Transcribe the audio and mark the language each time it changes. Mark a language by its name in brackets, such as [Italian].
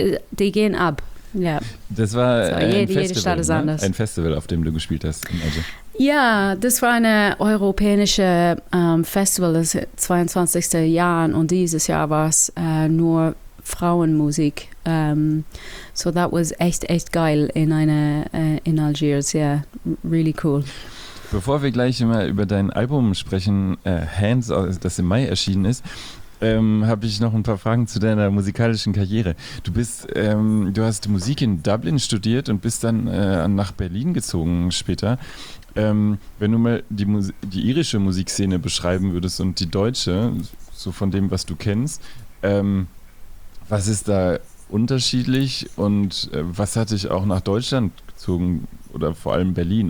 [German] Die gehen ab. Yeah. Das war ein Festival, auf dem du gespielt hast. Ja, das war eine europäische Festival, das 22. Jahr. Und dieses Jahr war es nur Frauenmusik. [English] So that was [German] echt geil [English] in Algiers, yeah, really cool. [German] Bevor wir gleich mal über dein Album sprechen, Hands, das im Mai erschienen ist, habe ich noch ein paar Fragen zu deiner musikalischen Karriere. Du hast Musik in Dublin studiert und bist dann nach Berlin gezogen später. Wenn du mal die irische Musikszene beschreiben würdest und die deutsche, so von dem, was du kennst, was ist da unterschiedlich und was hat dich auch nach Deutschland gezogen oder vor allem Berlin?